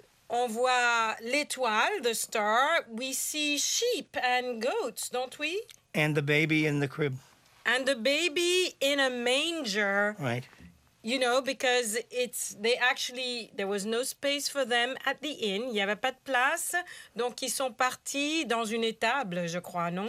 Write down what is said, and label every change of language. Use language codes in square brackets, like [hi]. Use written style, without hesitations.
[fr] On voit l'étoile, [en] the star. We see sheep and goats, don't we? And the baby in the crib. And the baby in a manger. Right. You know, because it's, they actually, there was no space for them at the inn. [fr] Il n'y avait pas de place. Donc, ils sont partis dans une étable, je crois, non?